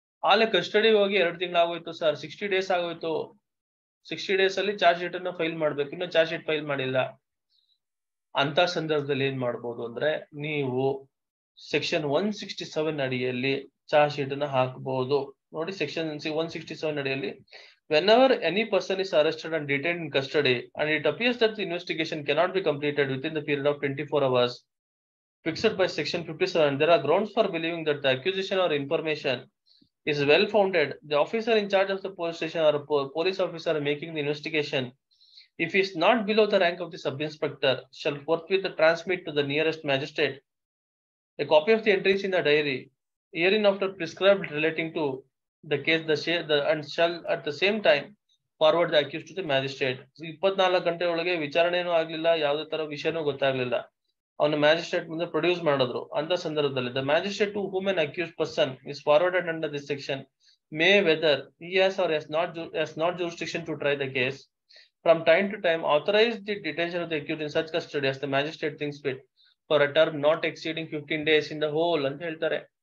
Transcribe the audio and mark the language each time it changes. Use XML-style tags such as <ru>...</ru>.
<kn>ಆಲೆ ಕಸ್ಟಡಿಗೆ ಹೋಗಿ 2 ತಿಂಗಳಾಗೋಯ್ತು sir, 60 days ಆಗೋಯ್ತು. 60 ಡೇಸ್ ಅಲ್ಲಿ ಚಾರ್ಜ್ ಶೀಟ್ ಅನ್ನ ಫೈಲ್ ಮಾಡ್ಬೇಕು, ಇನ್ನೂ ಚಾರ್ಜ್ ಶೀಟ್ ಫೈಲ್ ಮಾಡಿಲ್ಲ. ಅಂತ ಸಂದರ್ಭದಲ್ಲಿ ಏನ್ ಮಾಡ್ಬೋದು ಅಂದ್ರೆ, ನೀವು ಸೆಕ್ಷನ್ 167 ಅಡಿಯಲ್ಲಿ ಚಾರ್ಜ್ ಶೀಟ್ ಅನ್ನ ಹಾಕಬಹುದು ನೋಡಿ. ಸೆಕ್ಷನ್ 167 ಅಡಿಯಲ್ಲಿ,</kn> <en>whenever any person is arrested and detained in custody and it appears that the investigation cannot be completed within the period of 24 hours fixed by section 57, there are grounds for believing that the accusation or information is well founded, the officer in charge of the police station or police officer making the investigation, if he is not below the rank of the sub inspector, shall forthwith transmit to the nearest magistrate a copy of the entries in the diary herein after prescribed relating to the case, the share the and shall at the same time forward the accused to the magistrate.</en> <kn>So 24 ಗಂಟೆ ಒಳಗೆ ವಿಚಾರಣೆನೂ ಆಗಲಿಲ್ಲ, ಯಾವುದೇ ತರ ವಿಷಯನೂ ಗೊತ್ತಾಗಲಿಲ್ಲ, ಅವನ magistrate ಮುಂದೆ produce ಮಾಡಿದ್ರು. ಅಂತ ಸಂದರ್ಭದಲ್ಲಿ</kn> <en>the magistrate to whom an accused person is forwarded under this section may whether he's or has not jurisdiction to try the case from time to time authorise the detention of the accused in such custody as the magistrate thinks fit for a term not exceeding 15 days in the whole</en> <kn>ಅಂತ ಹೇಳ್ತಾರೆ.</kn>